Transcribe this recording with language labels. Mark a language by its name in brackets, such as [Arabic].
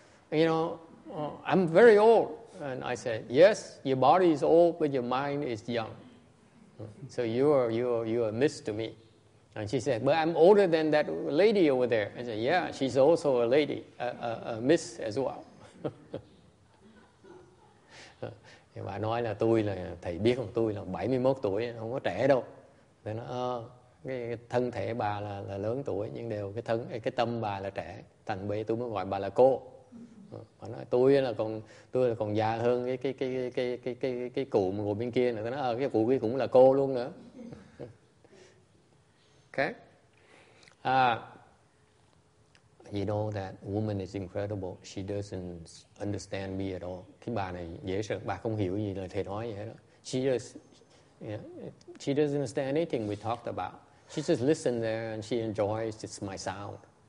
[English] You know, I'm very old." And I said, "Yes, your body is old, but your mind is young." So you are a miss to me. And she said, but I'm older than that lady over there. I said, yeah, she's also a lady, a miss as well. [Vietnamese] Thì bà nói là tôi là, thầy biết không, tôi là 71 tuổi, không có trẻ đâu. Thì nó, cái thân thể bà là lớn tuổi, nhưng đều cái thân, cái tâm bà là trẻ. Thành bây tôi mới gọi bà là cô. Bà nói tôi là còn già hơn cái cụ mà ngồi bên kia nữa. Nó cái cụ kia cũng là cô luôn nữa. [English] Okay. You know that woman is incredible. She doesn't understand me at all. [Vietnamese] Cái bà này dễ sợ, bà không hiểu gì lời thầy nói vậy đó. [English] She doesn't understand anything we talked about. She just listens there and she enjoys it's my sound.